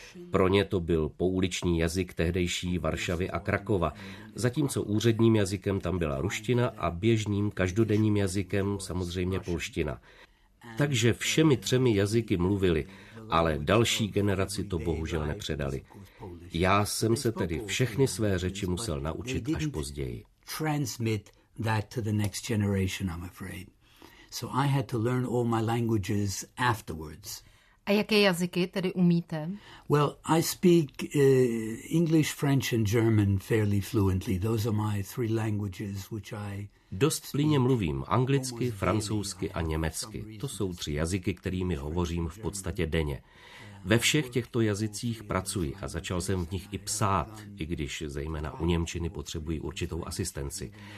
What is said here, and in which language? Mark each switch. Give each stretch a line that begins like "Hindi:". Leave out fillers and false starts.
Czech: Pro ně to byl pouliční jazyk tehdejší Varšavy a Krakova, zatímco úředním jazykem tam byla ruština a běžným každodenním jazykem samozřejmě polština. Takže všemi 3 jazyky mluvili, ale další generaci to bohužel nepředali. Já jsem se tedy všechny své řeči musel naučit až později.
English: Transmit that to the next generation, I'm afraid. So I had to learn all my languages afterwards.
Czech: A jaké jazyky tedy umíte?
English: Well, I speak English, French and German fairly fluently. Those are my 3 languages which I
Czech: dost plynně mluvím anglicky, francouzsky a německy. To jsou 3 jazyky, kterými hovořím v podstatě denně. Ve všech těchto jazycích pracuji a začal jsem v nich i psát, i když zejména u němčiny potřebuji určitou asistenci.